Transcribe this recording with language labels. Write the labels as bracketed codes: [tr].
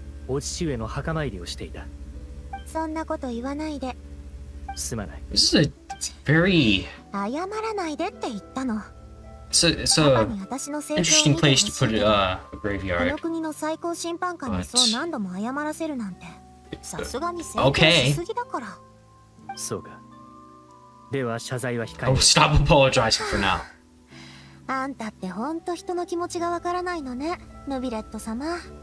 [ja] お父上の墓参りをしていた。そんなこと言わないで。すまない。 [en] This is a very [ja] 謝らないでって言ったの。 [en] It's a interesting place to put a graveyard. [ja] この国の最高審判官にそう何度も謝らせるなんて、さすがに正当しすぎだから。そうか。では謝罪は控え。 [en] Oh, stop apologizing for now. [ja] あんたって本当人の気持ちがわからないのね、ヌビレット様。